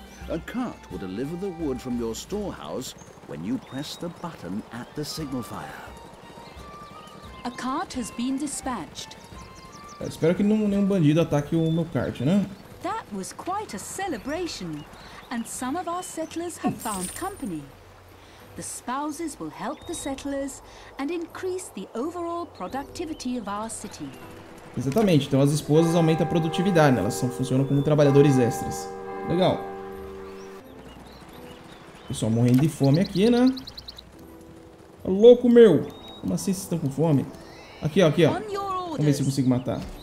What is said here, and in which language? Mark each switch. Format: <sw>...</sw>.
<en>A cart will deliver the wood from your storehouse when you press the button at the signal fire. A cart has been dispatched.</en> <pt>Eu espero que nenhum bandido ataque o meu kart, né?</pt> <en>That was quite a celebration, and some of our settlers have found company. The spouses will help the settlers and increase the overall productivity of our city.</en> <pt>Exatamente, então as esposas aumentam a produtividade, né? Elas funcionam como trabalhadores extras. Legal. Pessoal morrendo de fome aqui, né? Ô, louco meu! Como assim vocês estão com fome? Aqui, ó, aqui, ó. Vamos ver se eu consigo matar.</pt>